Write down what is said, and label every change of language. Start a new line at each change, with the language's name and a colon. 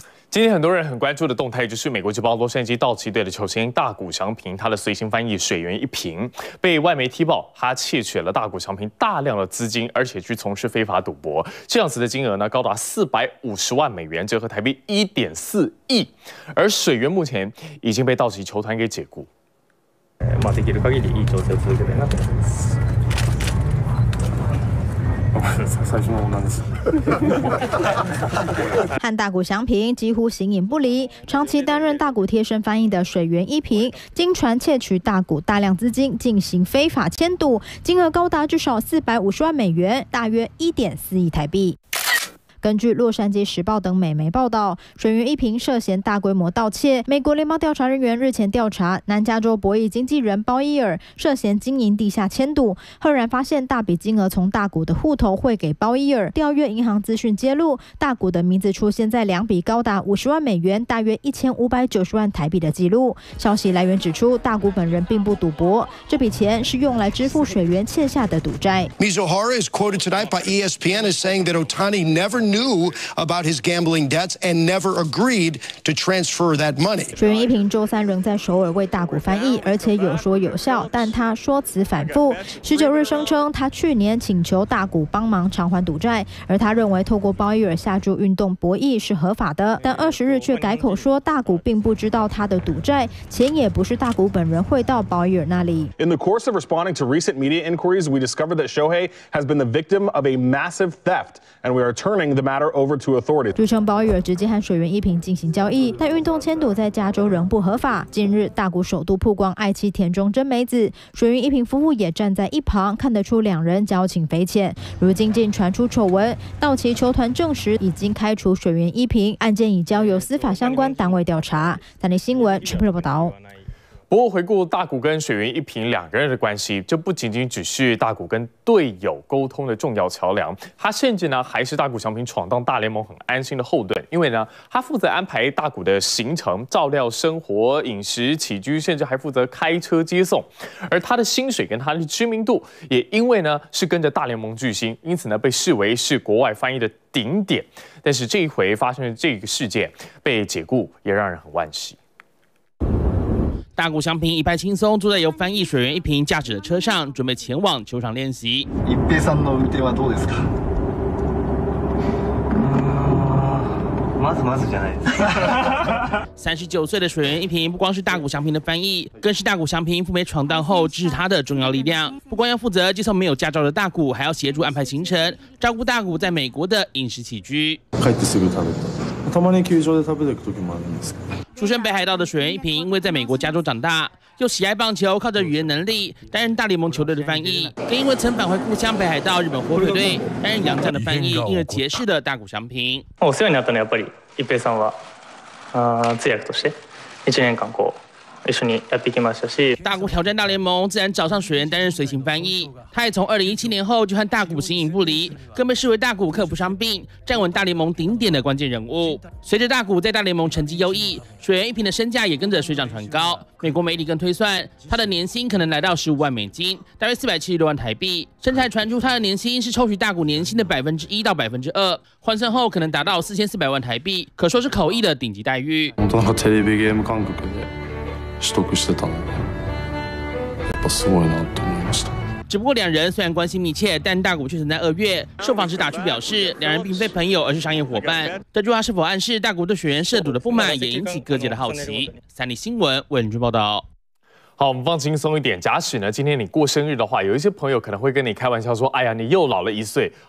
Chinese: 今天很多人很关注的动态，就是美国职棒洛杉矶道奇队的球星大谷翔平，他的随行翻译水源一瓶被外媒踢爆，他窃取了大谷翔平大量的资金，而且去从事非法赌博，这样子的金额呢高达450万美元，折合台币1.4亿。而水源目前已经被道奇球团给解雇。
Japanese: できる限りいい調整を続けたいなと思います。
Chinese: 最初的和大谷翔平几乎形影不离，长期担任大谷贴身翻译的水源一平，经传窃取大谷大量资金进行非法签赌，金额高达至少450万美元，大约1.4亿台币。根据洛杉矶时报等美媒报道，水源一平涉嫌大规模盗窃。美国联邦调查人员日前调查南加州博弈经纪人鲍伊尔涉嫌经营地下签赌，赫然发现大笔金额从大谷的户头汇给鲍伊尔。调阅银行资讯揭露，大谷的名字出现在2笔高达50万美元，大约1590万台币的记录。消息来源指出，大谷本人并不赌博，这笔钱是用来支付水源欠下的赌债。
English: Mizuhara is quoted tonight by ESPN as saying that Otani never knew about his gambling debts and never agreed to transfer that money.
Chinese: 水源一平周三仍在首尔为大谷翻译，而且有说有笑，但他说辞反复。 19日声称他去年请求大谷帮忙偿还赌债，而他认为透过鲍伊尔下注运动博弈是合法的，但20日却改口说大谷并不知道他的赌债，钱也不是大谷本人汇到鲍伊尔那里。
English: In the course of responding to recent media inquiries, we discovered that Shohei has been the victim of a massive theft, and we are turning.
Chinese: 据称鲍伊尔直接和水源一平进行交易，但运动签赌在加州仍不合法。近日大谷首度曝光爱妻田中真美子，水源一平夫妇也站在一旁，看得出两人交情匪浅。如今竟传出丑闻，道奇球团证实已经开除水源一平，案件已交由司法相关单位调查。三立新闻陈佩报道。不过回顾大谷跟水源一平两个人的关系，这不仅仅只是大谷跟队友沟通的重要桥梁，他甚至呢还是大谷翔平闯荡大联盟很安心的后盾。因为呢他负责安排大谷的行程，照料生活饮食起居，甚至还负责开车接送，而他的薪水跟他的知名度也因为呢是跟着大联盟巨星，因此呢被视为是国外翻译的顶点。但是这一回发生的这个事件被解雇，也让人很惋惜。大谷翔平一派轻松，坐在由翻译水源一平驾驶的车上，准备前往球场练习。
Japanese: 一平さんの運転はどうですか？まずまずじゃないです。
Chinese: 39岁的水源一平不光是大谷翔平的翻译，更是大谷翔平赴美闯荡后支持他的重要力量。不光要负责接送没有驾照的大谷，还要协助安排行程，照顾大谷在美国的饮食起居。
Japanese: 帰ってすぐ食べた。たまに球場で食べていく時もあるんですけど。
Chinese: 出身北海道的水源一平，因为在美国加州长大，又喜爱棒球，靠着语言能力担任大联盟球队的翻译，更因为曾返回故乡北海道日本火腿队担任洋将的翻译，因而结识了大谷翔平。
Japanese: お世話になったね、やっぱり一平さんは、通訳として1年間こう一緒にやっていきましたし、
Chinese: 大谷挑战大联盟，自然找上水原担任随行翻译。他也从2017年后就和大谷形影不离，更被视为大谷克服伤病、站稳大联盟顶点的关键人物。随着大谷在大联盟成绩优异，水原一平的身价也跟着水涨船高。美国媒体更推算，他的年薪可能来到15万美金，大约476万台币。甚至还传出他的年薪是抽取大谷年薪的1%到2%，换算后可能达到4400万台币，可说是口译的顶级待遇。
Japanese: 本当テレビゲーム感覚で取得してたの、やっぱすごいなと思いました。
Chinese: 只不过两人虽然关系密切，但大谷却曾在二月受访时打趣表示，两人并非朋友，而是商业伙伴。这句话是否暗示大谷对水原涉赌的不满，也引起各界的好奇。三立新闻为您报道。好，我们放轻松一点。假使呢，今天你过生日的话，有一些朋友可能会跟你开玩笑说：“哎呀，你又老了一岁。”